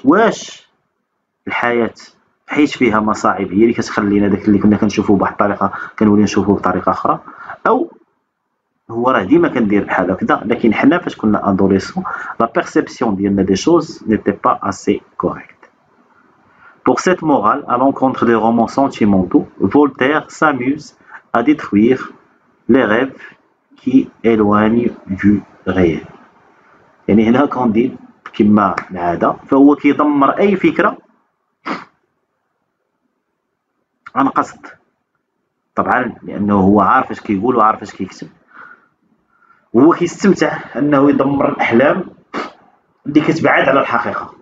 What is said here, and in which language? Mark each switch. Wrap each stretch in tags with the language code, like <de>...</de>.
<ar>واش الحياه حيت فيها مصاعب هي اللي كتخلينا داك اللي كنا كنشوفوه بواحد الطريقه كنوليو نشوفوه بطريقه اخرى، او هو راه ديما كندير بحال هكذا، لكن حنا فاش كنا</ar> <fr>ادوليسون لا بيرسيبسيون</fr> <ar>ديالنا</ar> <fr>دي شوز نيتي با اسي كوريكت. Pour cette morale à l'encontre des romans sentimentaux, Voltaire s'amuse à détruire les rêves qui éloignent du réel.</fr> <ar>يعني هنا كونديد كما العاده فهو كيدمر اي فكره عن قصد، طبعا لانه هو عارف اش كيقول وعارف اش كيكتب، وهو كيستمتع انه يدمر الاحلام اللي كتبعد على الحقيقه.</ar>